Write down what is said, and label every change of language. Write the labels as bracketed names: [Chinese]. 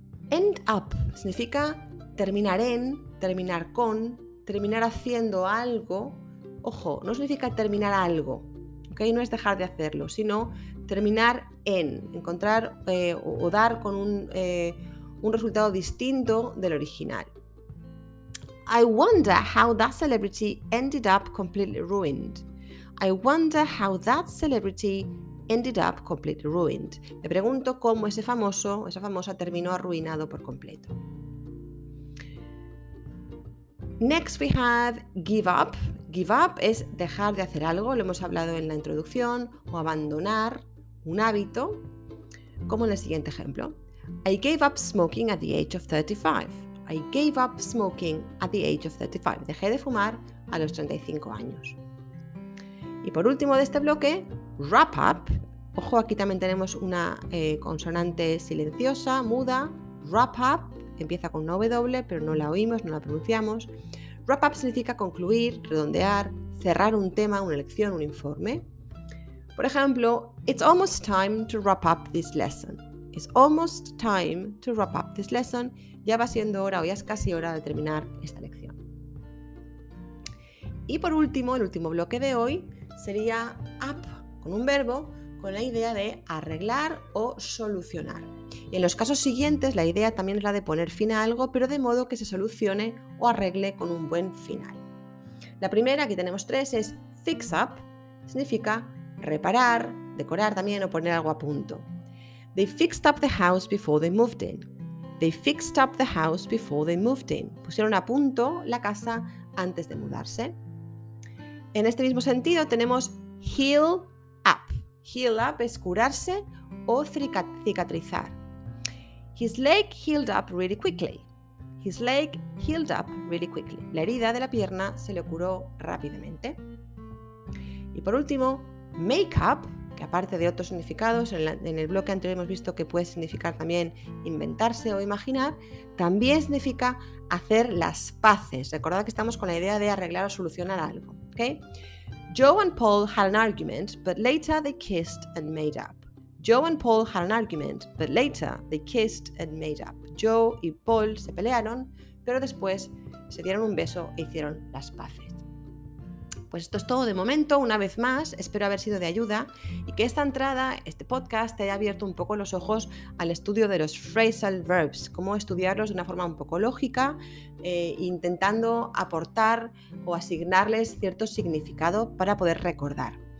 [Spanish] End up significa terminar en, terminar con, terminar haciendo algo. Ojo, no significa terminar algo, ¿okay? No es dejar de hacerlo, sino terminar en, encontrar o dar con un resultado distinto del original. [English] I wonder how that celebrity ended up completely ruined. I wonder how that celebrity ended up completely ruined. [Spanish] Me pregunto cómo ese famoso, esa famosa terminó arruinado por completo. [English] Next we have give up. [Spanish] Give up es dejar de hacer algo, lo hemos hablado en la introducción, o abandonar un hábito, como en el siguiente ejemplo. [English] I gave up smoking at the age of 35. I gave up smoking at the age of 35. [Spanish] Dejé de fumar a los 35 años. Y por último de este bloque, wrap up. Ojo, aquí también tenemos una consonante silenciosa, muda. Wrap up, empieza con una W, pero no la oímos, no la pronunciamos. Wrap up significa concluir, redondear, cerrar un tema, una lección, un informe. Por ejemplo, [English] it's almost time to wrap up this lesson. It's almost time to wrap up this lesson. [Spanish] Ya va siendo hora o ya es casi hora de terminar esta lección. Y por último, el último bloque de hoy, sería up con un verbo con la idea de arreglar o solucionar. En los casos siguientes, la idea también es la de poner fin a algo, pero de modo que se solucione o arregle con un buen final. La primera, aquí tenemos tres, es fix up, significa reparar, decorar también o poner algo a punto. [English] They fixed up the house before they moved in. They fixed up the house before they moved in. [Spanish] Pusieron a punto la casa antes de mudarse. En este mismo sentido tenemos heal up. Heal up es curarse o cicatrizar. [English] His leg healed up really quickly. His leg healed up really quickly. [Spanish] La herida de la pierna se le curó rápidamente. Y por último, make up, que aparte de otros significados, en el bloque anterior hemos visto que puede significar también inventarse o imaginar, también significa hacer las paces. Recordad que estamos con la idea de arreglar o solucionar algo. ¿Okay? [English] Joe and Paul had an argument, but later they kissed and made up. Joe and Paul had an argument, but later they kissed and made up. [Spanish] Joe y Paul se pelearon, pero después se dieron un beso e hicieron las paces. Pues esto es todo de momento. Una vez más, espero haber sido de ayuda y que esta entrada, este podcast, te haya abierto un poco los ojos al estudio de los phrasal verbs, cómo estudiarlos de una forma un poco lógica, intentando aportar o asignarles cierto significado para poder recordar.